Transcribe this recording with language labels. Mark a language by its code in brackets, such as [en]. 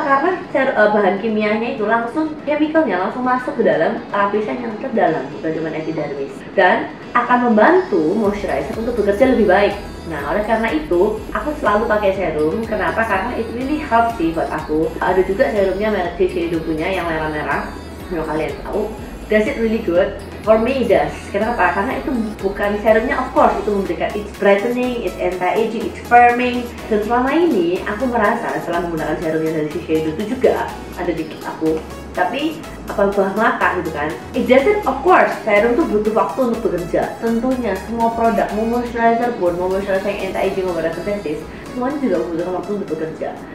[id] Karena bahan kimianya itu langsung, chemicalnya langsung masuk ke dalam lapisan yang terdalam, bukan cuma epidermis. Dan akan membantu moisturizer untuk bekerja lebih baik. Nah, oleh karena itu, aku selalu pakai serum. Kenapa? Karena [en] it really help [id] sih buat aku. Ada juga serumnya merek Shiseido punya yang merah-merah, kalau kalian tahu. [en] Does it really good? For me, it does. Kenapa? [id] Karena itu bukan serumnya, of course, itu memberikan [en] it's brightening, it's anti-aging, it's firming. [id] Dan selama ini, aku merasa setelah menggunakan serumnya dari Shiseido itu juga ada di kit aku. Tapi, apa buah mata gitu kan? [en] It doesn't, of course, [id] serum itu butuh waktu untuk bekerja. Tentunya, semua produk, mau moisturizer pun, mau moisturizer yang anti-aging, mau barang sintetis, semuanya juga butuh waktu untuk bekerja.